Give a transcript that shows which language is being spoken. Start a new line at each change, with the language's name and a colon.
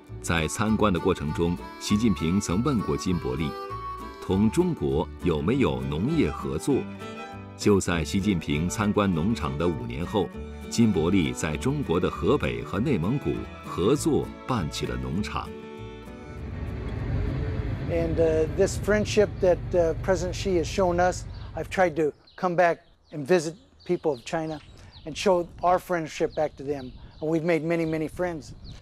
English: In the process of visiting, Xi Jinping asked Jin Boli, "Do you have any agricultural cooperation with China?" Just after Xi Jinping visited the farm 5 years later,
Chinese: 金伯利在中国的河北和内蒙古合作办起了农场。
English: And this friendship that President Xi has shown us, I've tried to come back and visit people of China and show our friendship back to them. And we've made many, many friends.